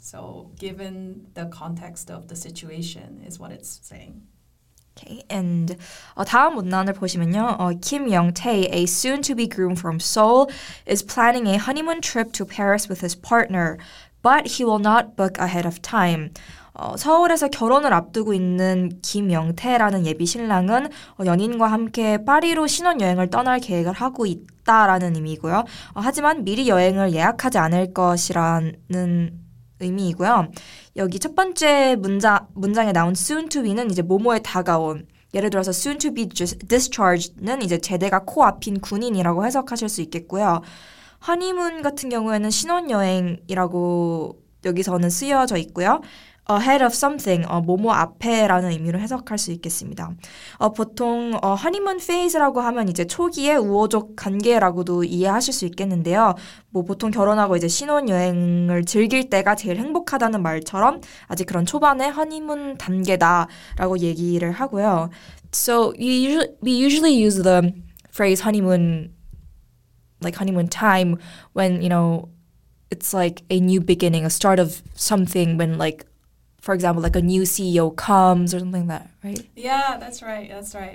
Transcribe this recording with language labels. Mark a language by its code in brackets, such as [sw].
[en] So given the context of the situation is what it's saying. Okay, and [ko] 다음 문단을 보시면요. [en] Kim Young-tae, a soon-to-be groom from Seoul, is planning a honeymoon trip to Paris with his partner, but he will not book ahead of time. [ko] 서울에서 결혼을 앞두고 있는 김영태라는 예비 신랑은 연인과 함께 파리로 신혼여행을 떠날 계획을 하고 있다라는 의미고요. 하지만 미리 여행을 예약하지 않을 것이라는 의미이고요. 여기 첫 번째 문장에 나온 soon to be는 이제 뭐뭐에 다가온 예를 들어서 [en] soon to be discharged [ko] 는 이제 제대가 코앞인 군인이라고 해석하실 수 있겠고요. honeymoon 같은 경우에는 신혼여행이라고 여기서는 쓰여져 있고요. ahead of something, 뭐뭐 앞에라는 의미로 해석할 수 있겠습니다. 보통 honeymoon phase라고 하면 이제 초기의 우호적 관계라고도 이해하실 수 있겠는데요. 뭐 보통 결혼하고 이제 신혼여행을 즐길 때가 제일 행복하다는 말처럼 아직 그런 초반의 honeymoon 단계다라고 얘기를 하고요. [en] So we usually use the phrase honeymoon, like honeymoon time, when you know it's like a new beginning, a start of something, when like for example, like a new CEO comes or something like that, right? Yeah, that's right. That's right.